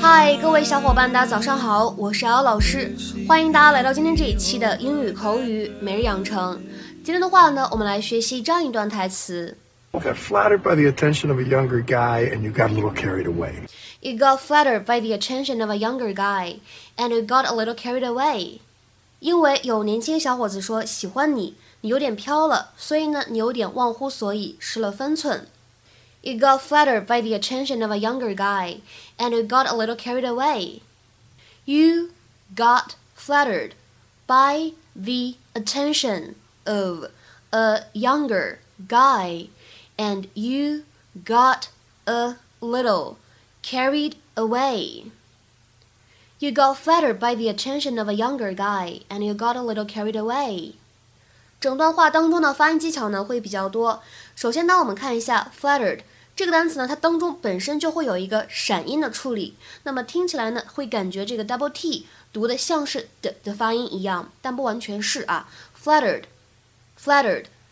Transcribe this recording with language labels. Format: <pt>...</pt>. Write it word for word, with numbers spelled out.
<zh>嗨，各位小伙伴，大家早上好，我是姚老师，欢迎大家来到今天这一期的英语口语每日养成。今天的话呢，我们来学习这样一段台词。</zh> <en>You got flattered by the attention of a younger guy, and you got a little carried away. You got flattered by the attention of a younger guy, and you got a little carried away.</en> <zh>因为有年轻小伙子说喜欢你，你有点飘了，所以呢，你有点忘乎所以，失了分寸。</zh> <en>You got flattered by the attention of a younger guy, and you got a little carried away. You got flattered by the attention of a younger guy. And you got a little carried away. You got flattered by the attention of a younger guy, and you got a little carried away.</en> <zh>整段话当中的发音技巧呢会比较多。首先呢，我们看一下 flattered 这个单词呢，它当中本身就会有一个闪音的处理。那么听起来呢，会感觉这个 double t 读的像是 d 的发音一样，但不完全是啊。</zh> <en>Flattered, flattered.</en>